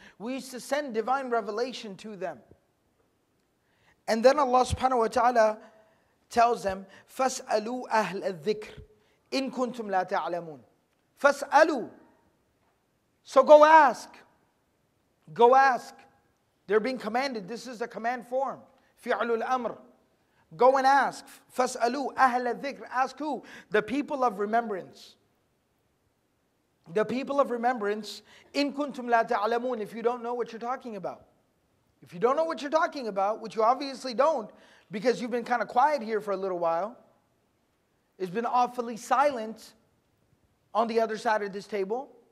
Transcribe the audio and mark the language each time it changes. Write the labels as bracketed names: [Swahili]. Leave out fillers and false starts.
[English] We used to send divine revelation to them. And then Allah subhanahu wa ta'ala tells them, [Arabic] فَاسْأَلُوا أَهْلَ الذِّكْرِ إِن كُنْتُمْ لَا تَعْلَمُونَ فَاسْأَلُوا [English] So go ask. Go ask. They're being commanded. This is the command form. [Arabic] فِعْلُ الْأَمْرِ [English] Go and ask. [Arabic] فَاسْأَلُوا أَهْلَ الذِّكْرِ [English] Ask who? The people of remembrance. The people of remembrance. [Arabic] إِن كُنْتُمْ لَا تَعْلَمُونَ [English] If you don't know what you're talking about. If you don't know what you're talking about, which you obviously don't, because you've been kind of quiet here for a little while, it's been awfully silent on the other side of this table.